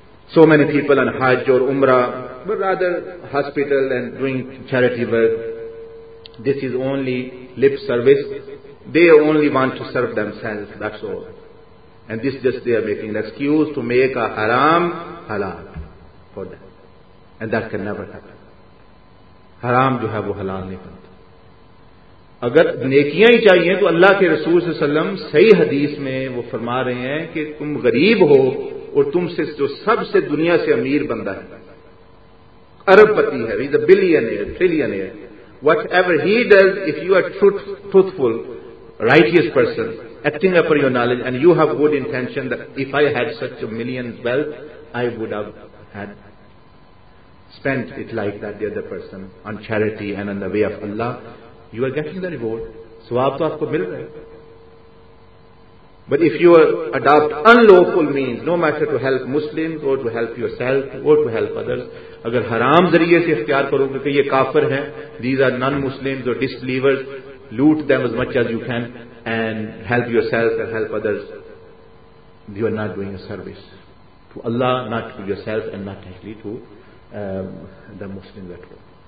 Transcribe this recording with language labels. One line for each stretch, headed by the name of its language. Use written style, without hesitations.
English: So many people on Hajj or Umrah, but rather hospital and doing charity work. This is only lip service. They only want to serve themselves, that's all. And this just they are making an excuse to make a haram halal for them. And that can never happen.
Urdu: Haram jo hai wo halal nahi banta. اگر نیکیاں ہی چاہیے تو اللہ کے رسول صلی اللہ علیہ وسلم صحیح حدیث میں وہ فرما رہے ہیں کہ تم غریب ہو اور تم سے جو سب سے دنیا سے امیر بندہ ہے، ارب پتی ہے،
English: He is a billionaire trillionaire, whatever he does, if you are truthful righteous person acting up your knowledge and you have good intention, if I had such a million wealth I would had spend it like that the other person on charity and on the way of اللہ. You are getting the reward.
Urdu: Swab to aapko mil raha hai.
English: But if you adopt unlawful means, no matter to help Muslims or to help yourself or to help others,
Urdu: agar haram zariye se ikhtiyar karo ke ye kafir hain,
English: these are non-Muslims or disbelievers, loot them as much as you can and help yourself and help others, you are not doing a service to Allah, not to yourself and not actually to the Muslims at all.